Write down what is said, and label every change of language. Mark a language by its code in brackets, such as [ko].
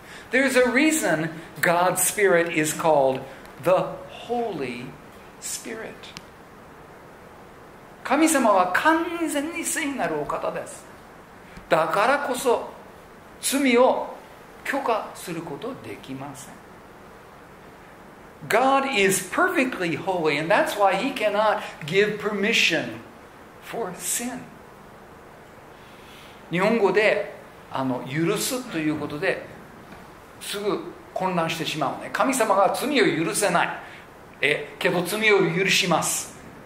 [en] There's a reason God's Spirit is called the Holy Spirit. [ja] 神様は完全に聖なるお方です。だからこそ罪を許可することできません。 [en] God is perfectly holy, and that's why He cannot give permission for sin. [ja] 日本語で許すということですぐ混乱してしまうね。神様が罪を許せない。けど罪を許します。